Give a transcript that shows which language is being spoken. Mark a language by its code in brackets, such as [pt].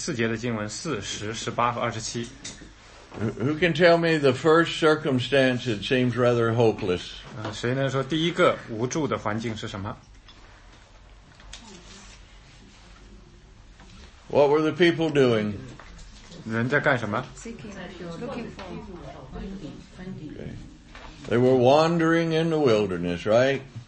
[zh] 我们就读四节的经文,4, 10, 18和27. [en] Who can tell me the first circumstance it seems rather hopeless? [zh] 谁能说第一个无助的环境是什么? [en] What were the people doing? [zh] 人在干什么? [en] Looking for funding. Okay. They were wandering in the wilderness, right?